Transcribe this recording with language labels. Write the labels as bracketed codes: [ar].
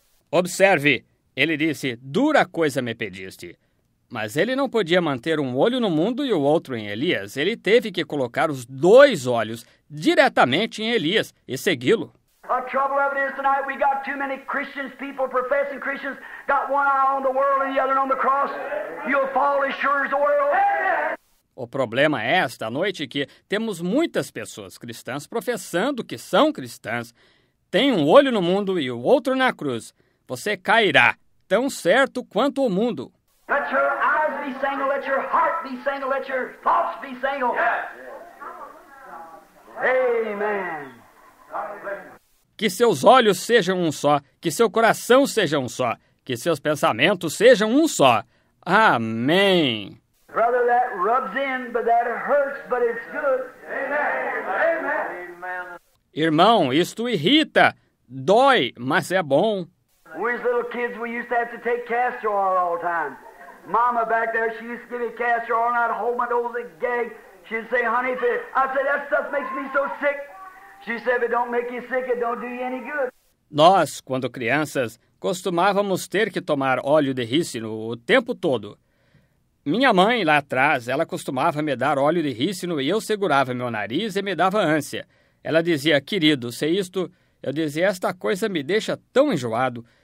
[pt] Observe, ele disse, dura coisa me pediste. Mas ele não podia manter um olho no mundo e o outro em Elias. Ele teve que colocar os dois olhos diretamente em Elias e segui-lo. [en] A trouble of it is tonight we got too many Christians, people professing Christians, got one eye on the world and the other on the cross. You'll fall as sure as the world. [pt] O problema é esta noite que temos muitas pessoas cristãs professando que são cristãs. Tem um olho no mundo e o outro na cruz. Você cairá, tão certo quanto o mundo. [en] Let your eyes be single, let your heart be single, let your thoughts be single. Yes. Amen. [pt] Que seus olhos sejam um só, que seu coração seja um só, que seus pensamentos sejam um só. Amém. [en] Brother, that rubs in, but that hurts, but it's good. Amen. Amen. [pt] Irmão, isto irrita, dói, mas é bom. [en] We as little kids, we used to have to take castor oil all the time. Mama back there, she used to give me castor oil, and I'd hold my nose and gag. She'd say, honey, if it, I'd say, that stuff makes me so sick. She said, if it don't make you sick, it don't do you any good. [pt] Nós, quando crianças, costumávamos ter que tomar óleo de rícino o tempo todo. Minha mãe, lá atrás, ela costumava me dar óleo de rícino e eu segurava meu nariz e me dava ânsia. Ela dizia, querido, se isto... Eu dizia, esta coisa me deixa tão enjoado.